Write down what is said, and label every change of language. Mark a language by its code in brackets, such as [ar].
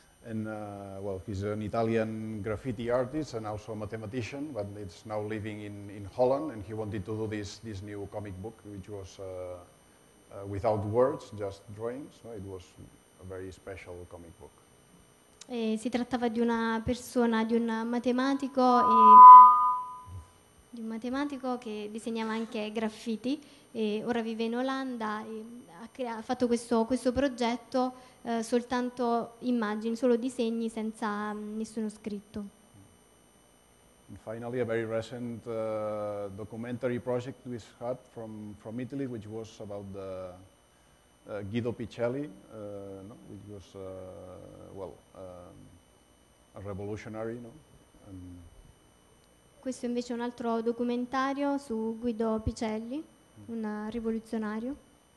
[en] And well, he's an Italian graffiti artist and also a mathematician, but he's now living in Holland, and he wanted to do this new comic book, which was without words, just drawings. So it was a very special comic book. [it] Si trattava di una persona, di un matematico che disegnava anche graffiti e ora vive in Olanda e ha fatto questo progetto soltanto immagini, solo disegni senza nessuno scritto. [en] And finally, a very recent documentary project we had from Italy, which was about the Guido Picelli, which was a revolutionary, no? [it] Questo invece è un altro documentario su Guido Picelli, un rivoluzionario.